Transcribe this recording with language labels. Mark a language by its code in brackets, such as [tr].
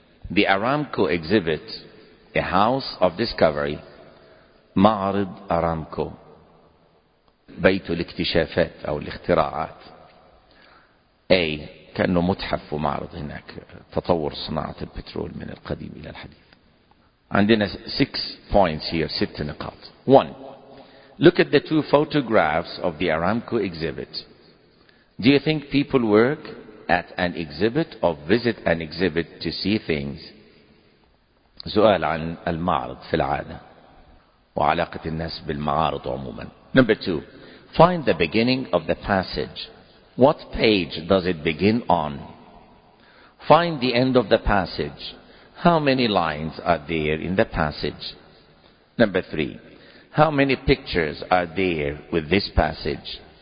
[en] The Aramco Exhibit, a House of Discovery, Ma'arid Aramco, [ar] بيت الاكتشافات أو الاختراعات. A, كأنه متحف ومعرض هناك تطور صناعة البترول من القديم إلى الحديث. عندنا [en] 6 points here, 6 [ar] نقاط. [en] 1, look at the 2 photographs of the Aramco Exhibit. Do you think people work at an exhibit or visit an exhibit to see things? [ar] سؤال عن المعرض في العادة وعلاقة الناس بالمعارض عموما. [en] Number 2. Find the beginning of the passage. What page does it begin on? Find the end of the passage. How many lines are there in the passage? Number 3. How many pictures are there with this passage?